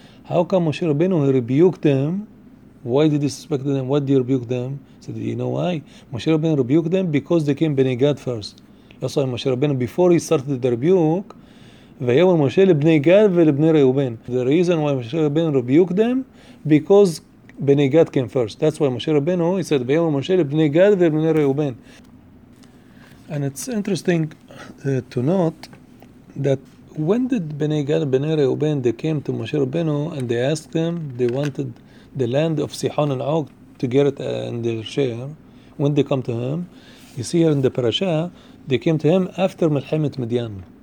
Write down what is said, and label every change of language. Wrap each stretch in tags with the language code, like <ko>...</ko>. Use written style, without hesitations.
<en>How come Moshe Rabbeinu, he rebuked them? Why did he suspect them? What did he rebuke them? He said, you know why? Moshe Rabbeinu rebuked them because they came bnei Gad first. That's why Moshe Rabbeinu, before he started the rebuke,</en> <he>ויאמר משה לבני גד ולבני ראובן.</he> <en>The reason why משה רבנו rebuked them, because בני גד came first. That's why משה רבנו, he said,</en> <he>ויאמר משה לבני גד ולבני ראובן.</he> <en>And it's interesting to note that when did בני גד ובני ראובן, they came to משה רבנו and they asked them, they wanted the land of Sihon and Og to get it in their share, when they come to him, you see here in the parasha, they came to him after מלחמת מדיין.</en>